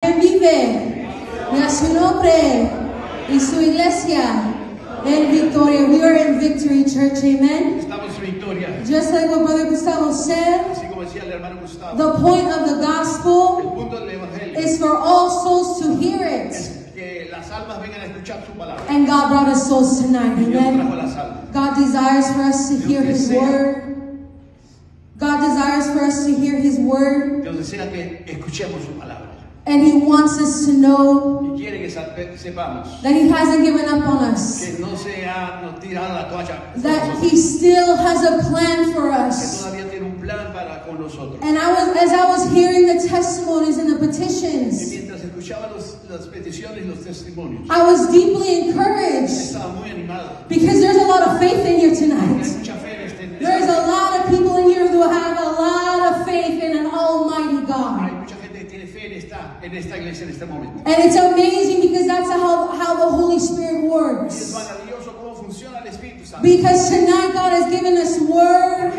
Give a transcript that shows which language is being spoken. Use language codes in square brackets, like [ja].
[es] vive, nació y su iglesia en victoria. [en] We are in victory, church, amen. [es] Estamos en victoria. [en] Just like what Brother Gustavo said, [es] así como decía el hermano Gustavo, [en] the point of the gospel, [es] el punto del evangelio, [en] is for all souls to hear it. [es] Es que las almas vengan a escuchar su palabra. [en] And God brought us souls tonight, amen. God desires for us to hear his word. God desires for us to hear his word. [es] Dios desea que escuchemos su palabra. [en] And he wants us to know that he hasn't given up on us. [es] Que no se ha, no tirado la toalla, [en] that he still has a plan for us. [es] Que todavía tiene un plan para con nosotros. [en] And I was, as I was hearing the testimonies and the petitions, [es] y mientras escuchaba las peticiones y los testimonios, [en] I was deeply encouraged. [es] Estaba muy animado. [en] Because there's a lot of faith in here tonight. [es] Porque hay mucha fe en este, en [en] there's [es] este. [en] A lot of people in here who have a lot of faith in an almighty God. [es] Hay mucha gente que tiene fe en esta. En esta iglesia, en este momento. [en] And it's amazing because that's how the Holy Spirit works. [es] Y es maravilloso cómo funciona el Espíritu Santo. [en] Because tonight God has given us word.